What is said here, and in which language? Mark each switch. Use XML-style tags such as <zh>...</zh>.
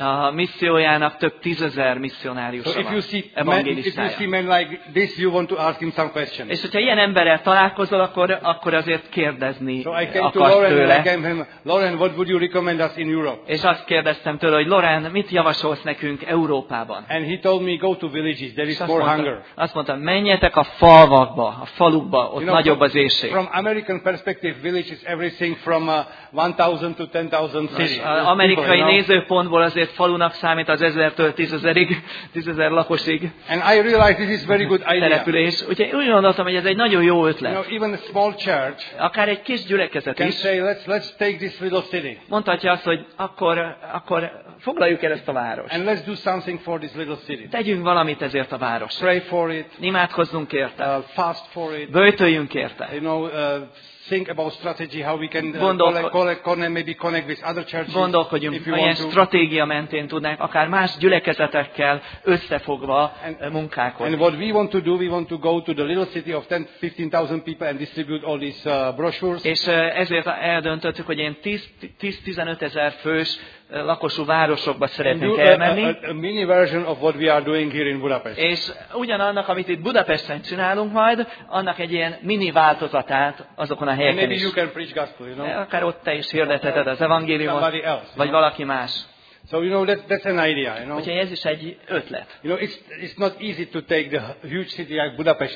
<hu>A missziójának több tízezer misszionárius van.</hu> <en>So if you see men like this, you want to ask him some questions.</en> <hu>És hogyha ilyen emberrel találkozol, akkor azért kérdezni akart</hu> <en>So I came to Lauren and I came him. Lauren, what would you recommend us in Europe?</en> <hu>És azt kérdeztem tőle, hogy Lauren, mit javasolsz nekünk Európában?</hu> <en>And he told me, go to villages, there is more hunger.</en> <hu>Azt mondta, menjetek a falvakba, a falukba, ott nagyobb az éhség.</hu> <en>From American perspective, village is everything from 1,000 to 10,000 cities.</en> <hu>Amerikai nézőpontból azért falunak számít az 1000-től 10,000 lakosig.</hu> <en>And I realized this is very good idea.</en> <hu>Település. Úgyhogy úgy gondoltam, hogy ez egy nagyon jó ötlet.</hu> <en>You know, even a small church.</en> <hu>Akár egy kis gyülekezet is.</hu> <en>Can say, let's take this little city.</en> <hu>Mondhatja azt, hogy akkor foglaljuk el ezt a várost.</hu> <en>And let's do something for this little city.</en> <hu>Tegyünk valamit ezért a városért.</hu> <en>Pray for it.</en> <hu>Imádkozzunk érte.</hu> <en>Fast for it.</en> <hu>Böjtöljünk érte.</hu> <en>You know, think about strategy how we can connect maybe connect with other churches.</en> <hu>Gondolkodjunk, milyen stratégia mentén tudnánk akár más gyülekezetekkel összefogva munkálkodni.</hu> <en>And what we want to go to the little city of 10-15,000 people and distribute all these brochures.</en> <hu>És ezért eldöntöttük, hogy én 10-15,000 fős lakosú városokba szeretnénk elmenni.</hu> <en>A mini version of what we are doing here in Budapest.</en> <hu>És ugyanannak, amit itt Budapesten csinálunk majd, annak egy ilyen mini változatát azokon a helyeken</hu> <en>maybe is. You can preach gospel, you know?</en> <hu>Akár ott te is hirdetheted az evangéliumot,</hu> <en>somebody else,</en> <hu>vagy know? Valaki más.</hu> <en>So you know that's an idea, you know.</en> <hu>Úgyhogy ez is egy ötlet.</hu> <en>You know, it's not easy to take the huge city like Budapest.</en>